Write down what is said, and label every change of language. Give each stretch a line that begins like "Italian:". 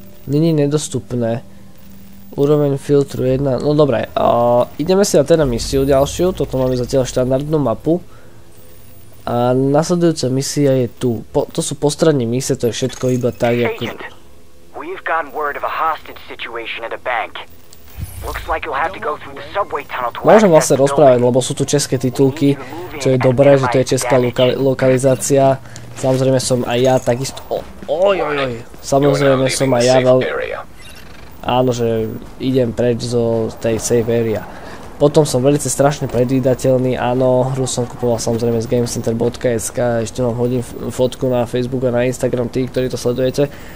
Slovak: Není nedostupné. Úroveň filtru 1. No dobré. Ideme si na teda misiu ďalšiu. Toto máme zatiaľ štandardnú mapu. A nasledujúca misia je tu. To sú postranní misie, to je všetko iba tak, ako...
English: We've gotten word of a hostage situation at a bank. Looks like you'll have to go through the subway tunnel to...
Slovak: Môžem vlastne rozprávať, lebo sú tu české titulky, čo je dobré, že to je česká lokalizácia. Samozrejme som aj ja takisto... Samozrejme som aj ja veľmi... Áno, že idem preč zo tej safe area. Potom som veľce strašne predvídateľný, áno, hru som kupoval samozrejme z gamecenter.sk, ešte vám hodím fotku na Facebook a na Instagram, tí, ktorí to sledujete.